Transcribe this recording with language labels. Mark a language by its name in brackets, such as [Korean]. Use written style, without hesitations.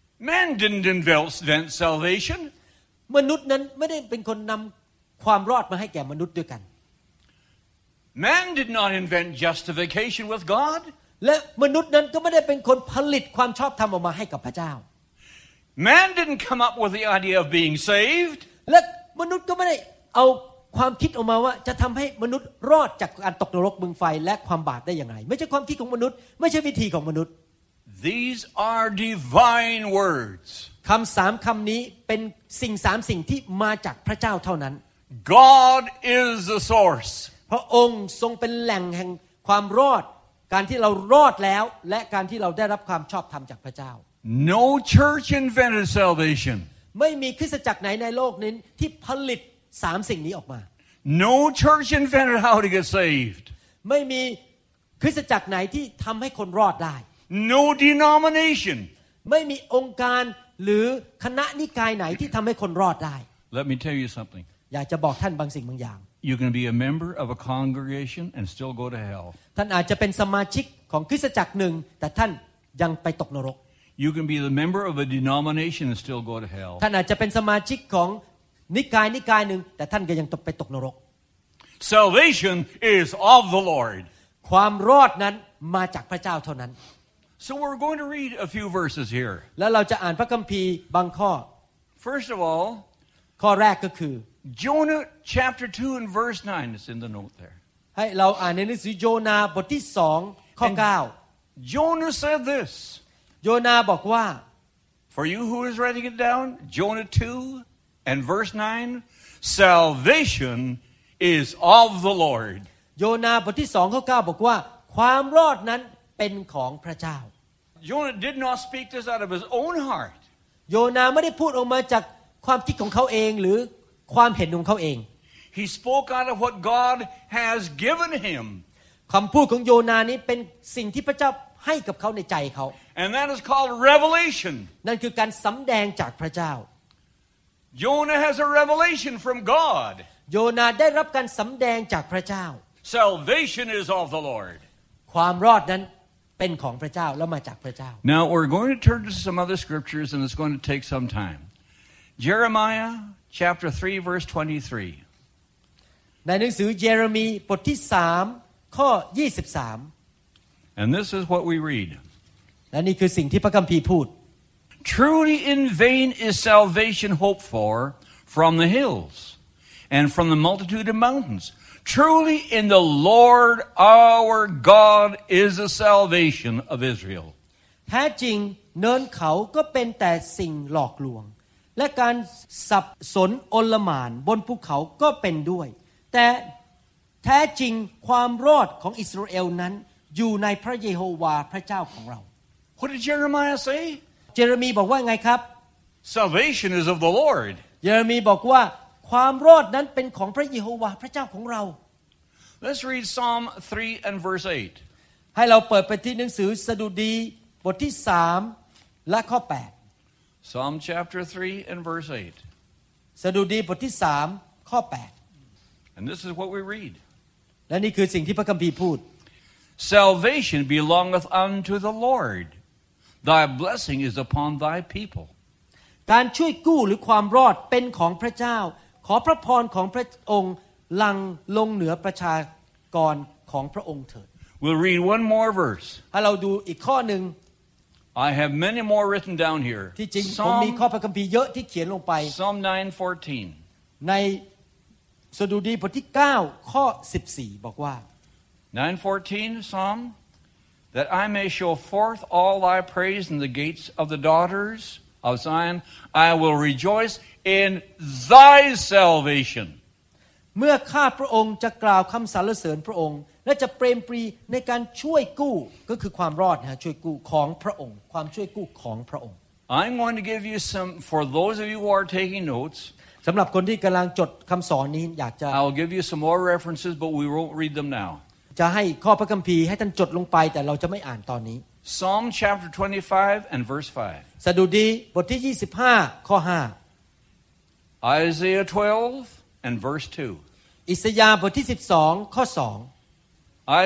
[English] Man didn't invent salvation [Thai] มนุษย์นั้นไม่ได้เป็นคนนำความรอดมาให้แก่มนุษย์ด้วยกัน [English] Man did not invent justification with God [Thai] และมนุษย์นั้นก็ไม่ได้เป็นคนผลิตความชอบธรรมออกมาให้กับพระเจ้า [English] Man didn't come up with the idea of being saved [Thai] และมนุษย์ก็ไม่ได้เอาความคิดออกมาว่าจะทำให้มนุษย์รอดจากการตกนรกบึงไฟและความบาปได้อย่างไรไม่ใช่ความคิดของมนุษย์ไม่ใช่วิธีของมนุษย์ [English] These are divine words [Thai] คำสามคำนี้เป็นสิ่งสามสิ่งที่มาจากพระเจ้าเท่านั้น [English] God is the source [Thai] พระองค์ทรงเป็นแหล่งแห่งความรอดการที่เรารอดแล้วและการที่เราได้รับความชอบธรรมจากพระเจ้า [English] No church invented salvation [Thai] ไม่มีคริสตจักรไหนในโลกนี้ที่ผลิตสามสิ่งนี้ออกมา [English] No church invented how to get saved [Thai] ไม่มีคริสตจักรไหนที่ทำให้คนรอดได้ [English] No denomination [Thai] ไม่มีองค์การหรือคณะนิกายไหนที่ทำให้คนรอดได้ [English] Let me tell you something [Thai] อยากจะบอกท่านบางสิ่งบางอย่าง [English] You can be a member of a congregation and still go to hell [Thai] ท่านอาจจะเป็นสมาชิกของคริสตจักรหนึ่งแต่ท่านยังไปตกนรก [English] You can be the member of a denomination and still go to hell [Thai] ท่านอาจจะเป็นสมาชิกของนิกายนิกายหนึ่งแต่ท่านก็ยังไปตกนรก [English] Salvation is of the Lord [Thai] ความรอดนั้นมาจากพระเจ้าเท่านั้น [English] So we're going to read a few verses here [Thai] แล้วเราจะอ่านพระคัมภีร์บางข้อ [English] First of all [Thai] ข้อแรกก็คือ [English] Jonah chapter 2 and verse 9 is in the note there [Thai] ให้เราอ่านในหนังสือโยนาบทที่2ข้อ9 [English] Jonah said this [Thai] โยนาบอกว่า [English] For you who is writing it down Jonah 2And verse 9, salvation is of the Lord. [Thai] Jonah บทที่2ข้อ9บอกว่าความรอดนั้นเป็นของพระเจ้า [English] Jonah did not speak this out of his own heart. [Thai] Jonah ไม่ได้พูดออกมาจากความคิดของเขาเองหรือความเห็นของเขาเอง [English] He spoke out of what God has given him. [Thai] คำพูดของโยนานี้เป็นสิ่งที่พระเจ้าให้กับเขาในใจเขา [English] And that is called revelation. [Thai] นั่นคือการสำแดงจากพระเจ้า [English] Jonah has a revelation from God. [Thai] Jonah ได้รับการสำแดงจากพระเจ้า [English] Salvation is of the Lord. [Thai] ความรอดนั้นเป็นของพระเจ้าแล้วมาจากพระเจ้า [English] Now we're going to turn to some other scriptures and it's going to take some time. Jeremiah chapter 3 verse 23. [Thai] ในหนังสือเยเรมีบทที่3ข้อ23 [English] And this is what we read. [Thai] และนี่คือสิ่งที่พระคัมภีร์พูด [English] Truly in vain is salvation hoped for from the hills and from the multitude of mountains. Truly in the Lord our God is the salvation of Israel. [Thai] แท้จริงเนินเขาก็เป็นแต่สิ่งหลอกลวงและการสับสนโอลมานบนภูเขาก็เป็นด้วยแต่แท้จริงความรอดของอิสราเอลนั้นอยู่ในพระเยโฮวาห์พระเจ้าของเรา [English] What did Jeremiah say? [Thai] เยเรมีบอกว่าไงครับ [English] Salvation is of the Lord [Thai] เยเรมีบอกว่าความรอดนั้นเป็นของพระเยโฮวาห์พระเจ้าของเรา [English] Let's read Psalm 3 and verse 8 [Thai] ให้เราเปิดไปที่หนังสือสดุดี บทที่3และข้อ8 [English] Psalm chapter 3 and verse 8 [Thai] สดุดีบทที่3ข้อ8 [English] And this is what we read [Thai] และนี่คือสิ่งที่พระคัมภีร์พูด [English] Salvation belongeth unto the Lord Thy blessing is upon thy people [Thai] การช่วยกู้หรือความรอดเป็นของพระเจ้าขอพระพรของพระองค์ลังลงเหนือประชากรของพระองค์เถิด [English] We'll read one more verse [Thai] ให้เราดูอีกข้อหนึ่ง [English] I have many more written down here [Thai] ที่จริงผมมีข้อพระคัมภีร์เยอะที่เขียนลงไป [English] Psalm 9:14 [Thai] ในสดุดีบทที่9ข้อ14บอกว่า [English] 9:14 Psalm That I may show forth all thy praise in the gates of the daughtersOf Zion, I will rejoice in thy salvation. [Thai] เมื่อข้าพระองค์จะกล่าวคำสรรเสริญพระองค์และจะเปรมปรีในการช่วยกู้ก็คือความรอดนะช่วยกู้ของพระองค์ความช่วยกู้ของพระองค์ [English] I'm going to give you some for those of you who are taking notes. [Thai] สำหรับคนที่กำลังจดคำสอนนี้อยากจะ [English] I'll give you some more references, but we won't read them now. [Thai] จะให้ข้อพระคัมภีร์ให้ท่านจดลงไปแต่เราจะไม่อ่านตอนนี้ [English] Psalm chapter 25 and verse 5. [Thai] สดุดีบทที่25ข้อ5. [English] Isaiah 12 and verse 2. [Thai] อิสยาห์บทที่12ข้อ2.